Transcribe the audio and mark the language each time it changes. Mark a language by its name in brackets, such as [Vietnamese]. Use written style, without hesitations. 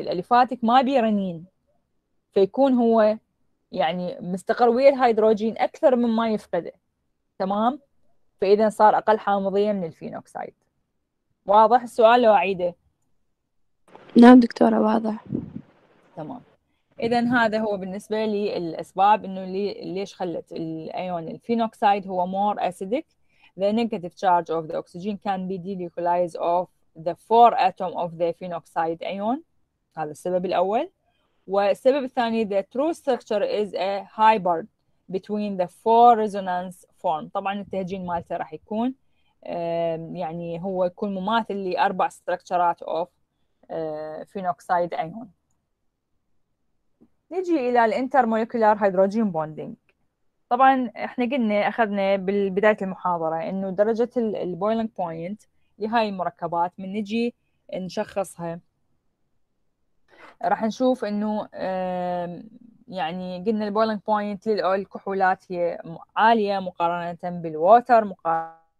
[Arabic] الأليفاتك ما بي رنين، فيكون هو يعني مستقر ويا الهيدروجين أكثر من ما يفقده، تمام؟ فإذا صار أقل حامضية من الفينوكسيد. واضح السؤال لو أعيده؟ نعم دكتورة واضح. تمام. إذا هذا هو بالنسبة لي الأسباب إنه ليش خلت الأيون الفينوكسيد هو [English] more acidic. The negative charge of the oxygen can be delocalized off the four atom of the phenoxide ion. [Arabic] هذا السبب الأول. والسبب الثاني [English] the true structure is a hybrid between the four resonance form. [Arabic] طبعا التهجين مالته راح يكون يعني هو يكون مماثل لأربع [English] structures of phenoxide ion. [Arabic] نجي إلى الانترموليكولار هيدروجين بوندينج. طبعا احنا قلنا اخذنا بالبداية المحاضرة انه درجة البويلنج بوينت لهاي المركبات من نجي نشخصها راح نشوف انه يعني قلنا البويلنج بوينت للكحولات هي عالية مقارنة بالووتر، مقارنة